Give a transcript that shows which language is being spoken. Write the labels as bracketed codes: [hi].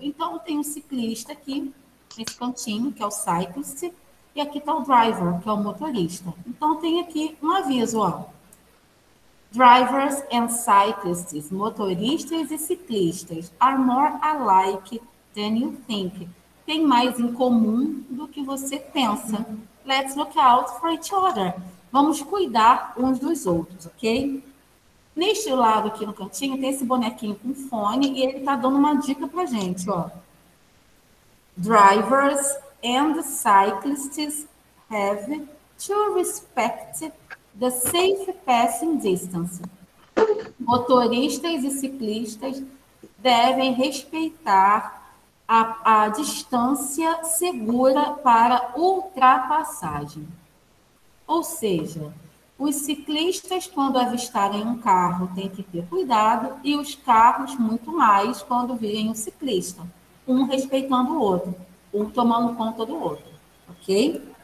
[pt] Então, tem um ciclista aqui, nesse cantinho, que é o cyclist. E aqui está o driver, que é o motorista. Então, tem aqui um aviso, ó. [en] Drivers and cyclists, [pt] motoristas e ciclistas, [en] are more alike than you think. [pt] Tem mais em comum do que você pensa. [en] Let's look out for each other. [pt] Vamos cuidar uns dos outros, ok? Neste lado aqui no cantinho, tem esse bonequinho com fone e ele está dando uma dica para a gente, ó. [en] Drivers and cyclists have to respect the safe passing distance. [pt] Motoristas e ciclistas devem respeitar a distância segura para ultrapassagem. Ou seja, os ciclistas, quando avistarem um carro, têm que ter cuidado, e os carros, muito mais, quando virem um ciclista, um respeitando o outro, um tomando conta do outro, ok?